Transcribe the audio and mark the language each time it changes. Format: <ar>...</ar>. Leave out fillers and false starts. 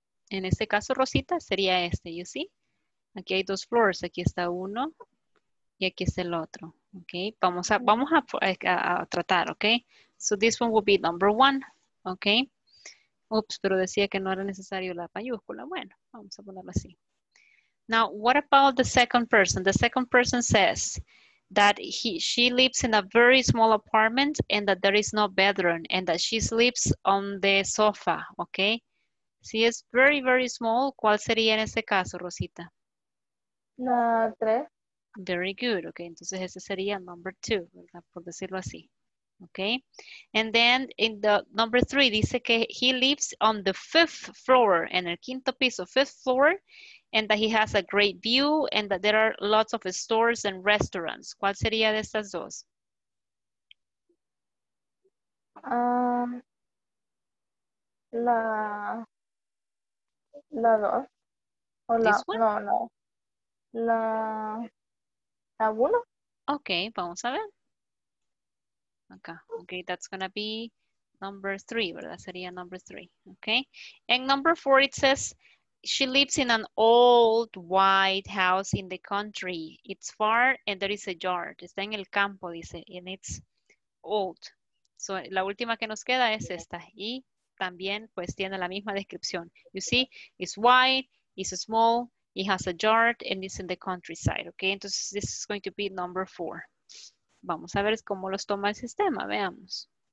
<es>En este caso, Rosita, sería este,</es> <en>you see?</en> <es>Aquí hay dos floors, aquí está uno y aquí está el otro. Okay, vamos a tratar, okay?</es> <en>So this one will be number one, okay?</en> <es>Oops, pero decía que no era necesario la mayúscula. Bueno, vamos a ponerlo así.</es> <en>Now, what about the second person? The second person says, that she lives in a very small apartment and that there is no bedroom and that she sleeps on the sofa, okay?</en> <es>Si es</es> <en>very, very small,</en> <es>¿cuál sería en ese caso, Rosita? La tres.</es> <en>Very good, okay.</en> <es>Entonces ese sería</es> <en>number two,</en> <es>¿verdad? Por decirlo así, okay?</es> <en>And then in the number three,</en> <es>dice que</es> <en>he lives on the fifth floor,</en> <es>en el quinto piso,</es> <en>fifth floor, and that he has a great view and that there are lots of stores and restaurants.</en> <es>¿Cuál sería de estas dos? La dos. O la,</es> <en>this one?</en> <es>No, no. La uno. Okay, vamos a ver.</es> <en>Okay, that's gonna be number three, ¿verdad?</en> <es>Sería</es> <en>number three, okay? And number four, it says, she lives in an old white house in the country. It's far and there is a yard.</en> <es>Está en el campo, dice,</es> <en>and it's old.</en> <es>So, la última que nos queda es esta. Y también, pues, tiene la misma descripción.</es> <en>You see, it's white, it's small, it has a yard, and it's in the countryside, okay? Entonces, this is going to be number four.</en> <es>Vamos a ver cómo los toma el sistema, veamos.</es>